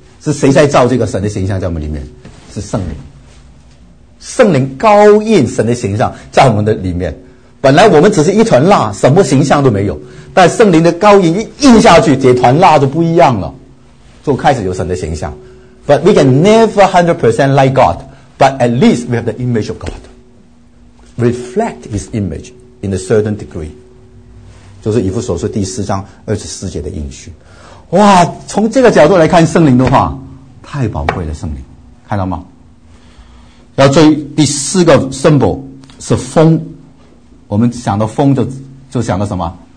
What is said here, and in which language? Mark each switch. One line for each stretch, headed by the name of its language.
Chinese: 是谁在造这个神的形象在我们里面？是圣灵，圣灵高印神的形象在我们的里面。本来我们只是一团蜡，什么形象都没有，但圣灵的高印一印下去，这团蜡就不一样了，就开始有神的形象。
English: But we can never 100% like God, but at least we have the image of God, reflect His image in a certain degree。
Chinese: 就是以弗所书第四章二十四节的应许。哇，从这个角度来看圣灵的话，太宝贵了。圣灵看到吗？要注意第四个 symbol 是风。我们想到风就想到什么？